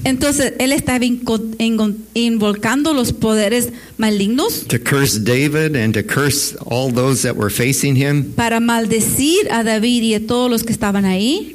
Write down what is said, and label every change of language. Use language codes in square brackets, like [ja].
[es] Entonces él estaba invocando los poderes malignos. [en] To curse David and to curse all those that were facing him. [es] Para maldecir a David y a todos los que estaban ahí.